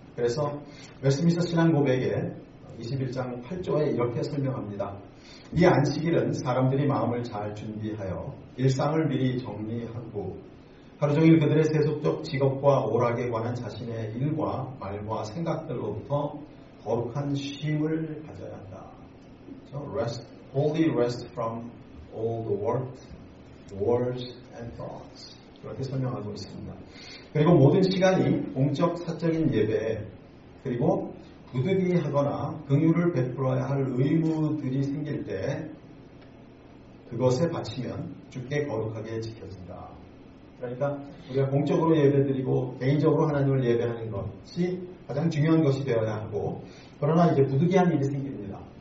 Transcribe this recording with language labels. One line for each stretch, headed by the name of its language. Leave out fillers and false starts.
Korean: 그래서 웨스트민스터 신앙 고백에 21장 8조에 이렇게 설명합니다. 이 안식일은 사람들이 마음을 잘 준비하여 일상을 미리 정리하고 하루 종일 그들의 세속적 직업과 오락에 관한 자신의 일과 말과 생각들로부터 거룩한 쉼을 가져야 한다.
English: So rest, holy rest from all the work, words and thoughts.
Korean: 그렇게 설명하고 있습니다. 그리고 모든 시간이 공적 사적인 예배 그리고 부득이하거나 긍휼을 베풀어야 할 의무들이 생길 때 그것에 바치면 주께 거룩하게 지켜진다. 그러니까 우리가 공적으로 예배드리고 개인적으로 하나님을 예배하는 것이 가장 중요한 것이 되어야 하고 그러나 이제 부득이한 일이 생깁니다.